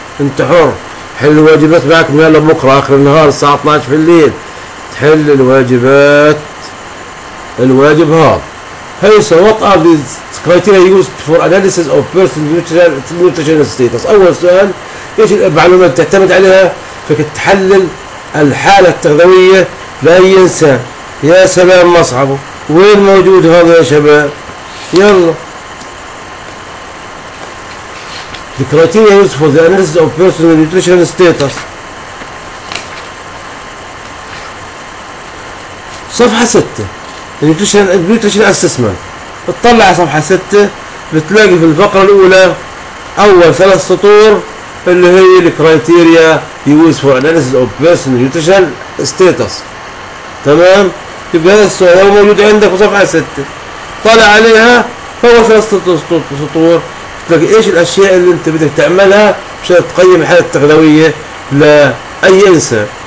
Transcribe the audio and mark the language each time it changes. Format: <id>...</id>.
<ar>انت حر، حل الواجبات معك من هلا بكره اخر النهار الساعه 12 في الليل، تحل الواجبات الواجب هذا.</ar> <en>هي so what are these criteria used for analysis of person nutrition status.</en> <ar>اول سؤال ايش المعلومات اللي تعتمد عليها؟ فيك تحلل الحالة التغذوية لأي إنسان. يا سلام مصعبه، وين موجود هذا يا شباب؟ يلا</ar> <en>The criteria used for the analysis of personal nutrition status.</en> <ar>صفحة 6 Nutrition Assessment. اطلع على صفحة 6 بتلاقي في الفقرة الأولى أول ثلاث سطور اللي هي</ar> <en>الكرايتيريا use for analysis of personal nutrition status.</en> <ar>تمام، يبقى هذا السؤال هو موجود عندك في صفحه 6، طالع عليها هو ثلاث سطور، تلاقي ايش الاشياء اللي انت بدك تعملها عشان تقيم الحاله التغذويه لاي انسان.</ar>